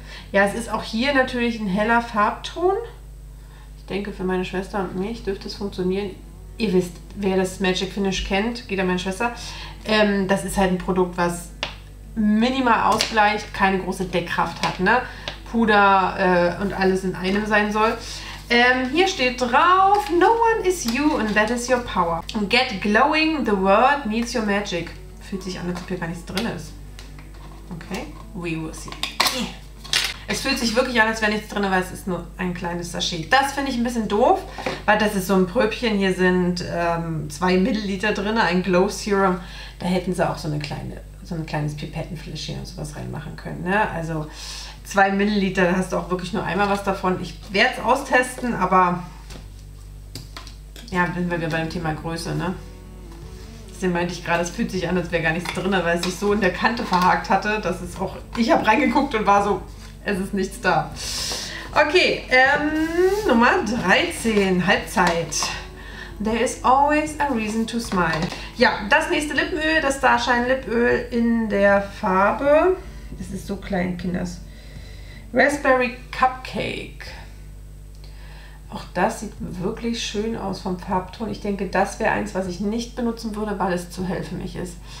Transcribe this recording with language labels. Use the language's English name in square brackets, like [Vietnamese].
[German] Ja, es ist auch hier natürlich ein heller Farbton. Ich denke, für meine Schwester und mich dürfte es funktionieren. Ihr wisst, wer das Magic Finish kennt, geht an meine Schwester. Das ist halt ein Produkt, was minimal ausgleicht, keine große Deckkraft hat, ne? Puder und alles in einem sein soll. Hier steht drauf, [English] no one is you and that is your power. Get glowing, the world needs your magic. [German] Fühlt sich an, als ob hier gar nichts drin ist. Okay, [English] we will see. [German] Es fühlt sich wirklich an, als wäre nichts drin, weil es ist nur ein kleines Sachet. Das finde ich ein bisschen doof, weil das ist so ein Pröbchen. Hier sind 2 Milliliter drin, ein Glow Serum. Da hätten sie auch so ein kleines Pipettenfläschchen und sowas reinmachen können. Ne? Also 2 Milliliter, da hast du auch wirklich nur einmal was davon. Ich werde es austesten, aber ja, sind wir wieder beim Thema Größe. Ne? Deswegen meinte ich gerade, es fühlt sich an, als wäre gar nichts drin, weil es sich so in der Kante verhakt hatte. Das ist auch, ich habe reingeguckt und war so... Es ist nichts da. Okay, Nummer 13, Halbzeit. [English] There is always a reason to smile. [German] Ja, das nächste Lippenöl, das Starshine Lipöl in der Farbe. Es ist so klein, Kinders. Raspberry Cupcake. Auch das sieht wirklich schön aus vom Farbton. Ich denke, das wäre eins, was ich nicht benutzen würde, weil es zu hell für mich ist.